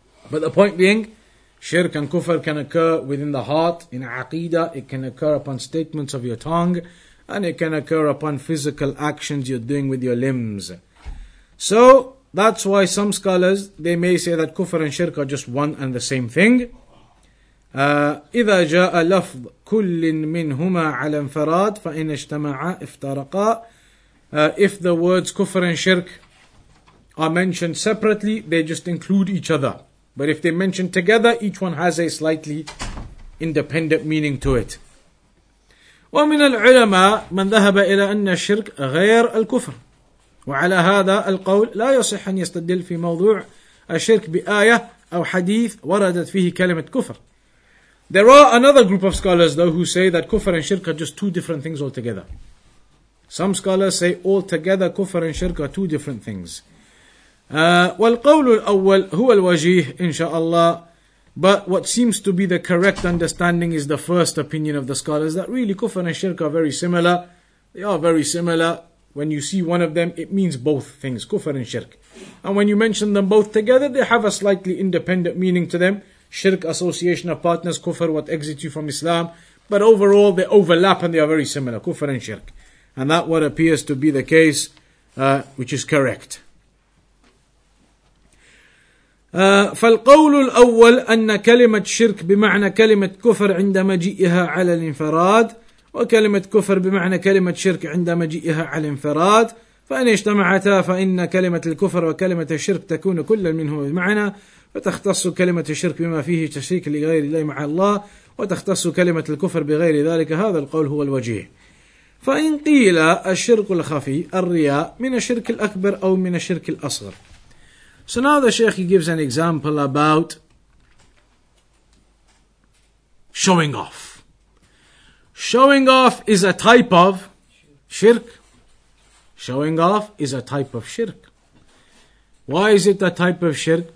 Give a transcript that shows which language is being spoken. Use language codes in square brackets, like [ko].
[en] But the point being, shirk and kufr can occur within the heart, in aqidah, it can occur upon statements of your tongue, and it can occur upon physical actions you're doing with your limbs. So that's why some scholars, they may say that kufr and shirk are just one and the same thing. [ar] إذا جاء لفظ كل منهما على انفراد فإن اجتمع افترقا. [en] If the words kufr and shirk are mentioned separately, they just include each other. But if they're mentioned together, each one has a slightly independent meaning to it. [ar] ومن العلماء من ذهب إلى أن الشرك غير الكفر. وعلى هذا القول لا يصح أن يستدل في موضوع الشرك بآية أو حديث وردت فيه كلمة كفر. [en] There are another group of scholars though who say that kufr and shirk are just two different things altogether. Some scholars say altogether kufr and shirk are two different things. [ar] والقول الأول هو الوجيه إن شاء الله. [en] But what seems to be the correct understanding is the first opinion of the scholars, that really kufr and shirk are very similar. They are very similar. When you see one of them, it means both things, kufr and shirk. And when you mention them both together, they have a slightly independent meaning to them. Shirk, association of partners, kufr, what exits you from Islam. But overall, they overlap and they are very similar, kufr and shirk. And that what appears to be the case, which is correct. [ar] فالقول الأول أن كلمة شرك بمعنى كلمة كفر عند مجيئها على الانفراد وكلمة كفر بمعنى كلمة شرك عند مجيئها على الانفراد فإن اجتمعتا فإن كلمة الكفر وكلمة الشرك تكون كلا منهما بمعنى فتختص كلمة الشرك بما فيه تشريك لغير الله مع الله وتختص كلمة الكفر بغير ذلك هذا القول هو الوجيه فإن قيل الشرك الخفي الرياء من الشرك الأكبر أو من الشرك الأصغر [en] So now the Shaykh gives an example about showing off. Showing off is a type of shirk. Showing off is a type of shirk. Why is it a type of shirk?